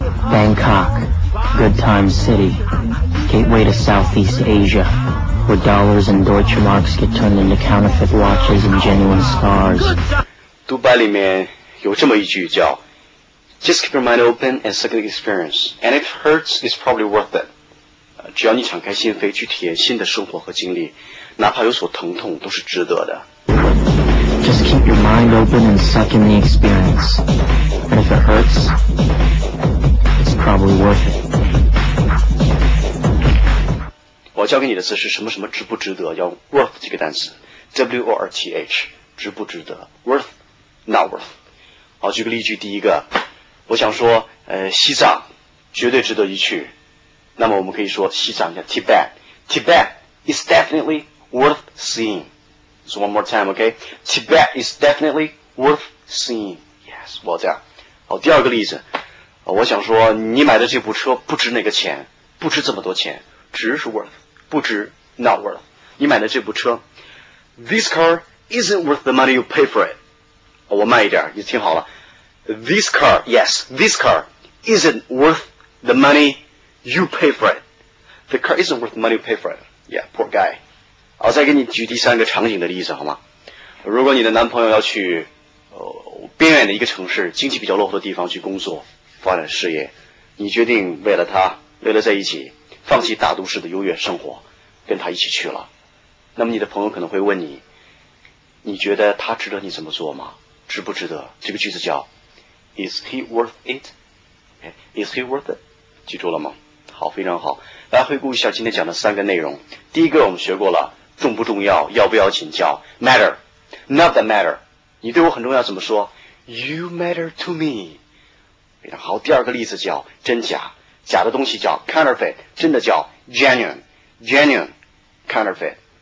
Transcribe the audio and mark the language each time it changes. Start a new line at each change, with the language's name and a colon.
English: Bangkok, good time city, gateway to Southeast Asia, where dollars and Deutsche Marks get turned into counterfeit watches and genuine scars.
Chinese: Dubai 里面有这么一句叫
English: Just keep your mind open and suck in the experience, and if it hurts, it's probably worth it.
Chinese: 只要你敞开心扉去体验新的生活和经历，哪怕有所疼痛都是值得的。
English: Just keep your mind open and suck in the experience, and if it hurts,Probably worth it.
Chinese: 我教给你的词是什么什么值不值得，要 worth 这个单词 W-O-R-T-H 值不值得 worth not worth 好，举个例句，第一个，我想说，西藏绝对值得一去。那么我们可以说，西藏叫
English: Tibet， Tibet is definitely worth seeing。 So one more time, okay? Tibet is definitely worth seeing.
Chinese: Yes, 我这样。好，第二个例子，我想说，你买的这部车不值那个钱，不值这么多钱，值是 worth， 不值 not worth。你买的这部车
English: ，This car isn't worth the money you pay for it。
Chinese: 我慢一点，你听好了。
English: This car, yes, this car isn't worth the money you pay for it. The car isn't worth the money you pay for it. Yeah, poor guy.
Chinese: 我再给你举第三个场景的例子好吗？如果你的男朋友要去边远的一个城市，经济比较落后的地方去工作，发展事业，你决定为了他，为了在一起，放弃大都市的优越生活，跟他一起去了。那么你的朋友可能会问你，你觉得他值得你这么做吗？值不值得？这个句子叫
English: Is he worth it? Okay, is he worth it?
Chinese: 记住了吗？好，非常好。来回顾一下今天讲的三个内容。第一个我们学过了，重不重要，要不要紧，叫 matter,
English: not that matter。
Chinese: 你对我很重要怎么说？
English: You matter to me。
Chinese: 非常好。第二个例子叫真假，假的东西叫 counterfeit， 真的叫 genuine， genuine counterfeit。